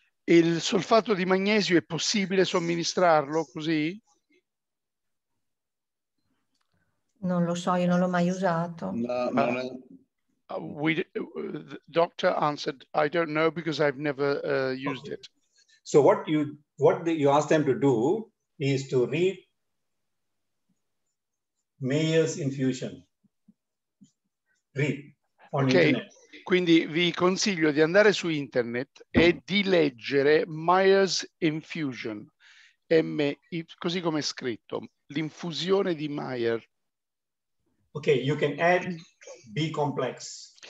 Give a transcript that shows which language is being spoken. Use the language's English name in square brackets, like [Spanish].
[Italian] Il solfato di magnesio è possibile somministrarlo così? Non lo so, io non l'ho mai usato. No. [English] The doctor answered, I don't know because I've never used it. So what you ask them to do is to read Mayer's infusion. Read on okay. Internet. [Italian] Quindi vi consiglio di andare su internet e di leggere Myers Infusion, così come è scritto, l'infusione di Mayer. [English] Ok, you can add B-complex.